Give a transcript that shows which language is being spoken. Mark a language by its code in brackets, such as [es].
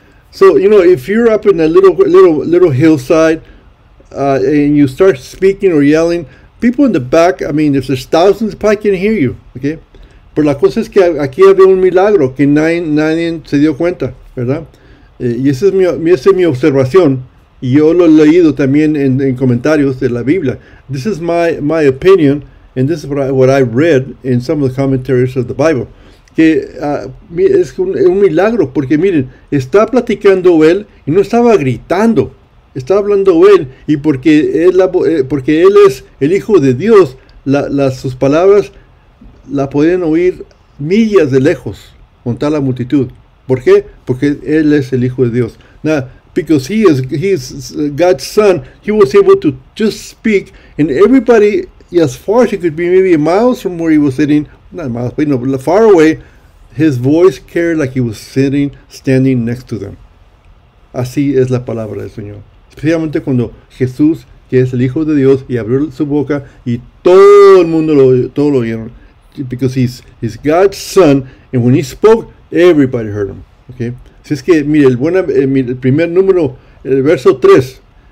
[en] So, you know, if you're up in a little hillside and you start speaking or yelling, people in the back, I mean, if there's thousands, probably can hear you, okay? [es] Pero la cosa es que aquí había un milagro que nadie se dio cuenta, ¿verdad? Y esa es mi observación. Y yo lo he leído también en comentarios de la Biblia. [en] This is my opinion, and this is what I read in some of the commentaries of the Bible. [es] Es un milagro, porque miren, está platicando él y no estaba gritando. Está hablando él, y porque él es el Hijo de Dios, sus palabras la pueden oír millas de lejos, con tal la multitud. ¿Por qué? Porque él es el Hijo de Dios. Nada. [en] Because he is God's son, he was able to just speak, and everybody, as far as he could be, maybe miles from where he was sitting, not miles, but far away, his voice carried like he was standing next to them. [es] Así es la palabra del Señor. Especialmente cuando Jesús, que es el Hijo de Dios, y abrió su boca, y todo el mundo lo oyeron. [en] Because he's God's son, and when he spoke, everybody heard him. Okay? [es] Si es que, mire, el primer número, el verso 3.